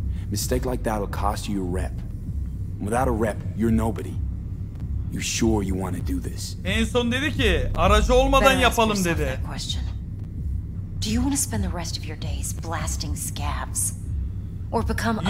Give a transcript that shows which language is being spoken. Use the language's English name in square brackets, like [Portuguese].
[English] Mistake like that will cost you your rep. Without a rep, you're nobody. You sure you want to do this? [Turkish] En son dedi ki, aracı olmadan yapalım dedi. [English] Do you want to spend the rest of your days blasting scabs or become a